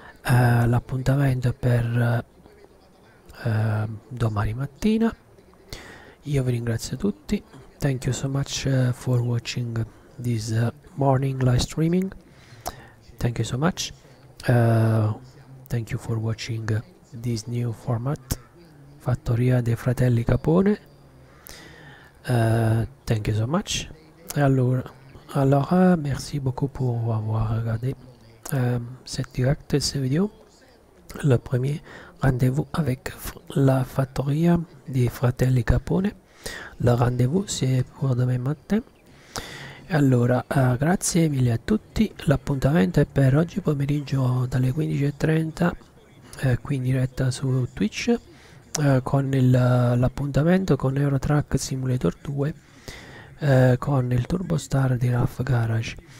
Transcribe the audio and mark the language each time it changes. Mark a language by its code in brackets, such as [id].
[it] L'appuntamento è per domani mattina. Io vi ringrazio tutti. [en] Thank you so much for watching this morning live streaming. Thank you so much. Thank you for watching this new format, Fattoria dei Fratelli Capone. Thank you so much. [fr] Allora, merci beaucoup pour avoir regardé cette direct, cette vidéo. Le premier rendez-vous avec la Fattoria dei Fratelli Capone. Le rendez-vous c'est pour demain matin. [it] Allora, grazie mille a tutti. L'appuntamento è per oggi pomeriggio dalle 15:30 qui in diretta su Twitch. con l'appuntamento con Euro Truck Simulator 2, con il Turbo Star di Rough Garage.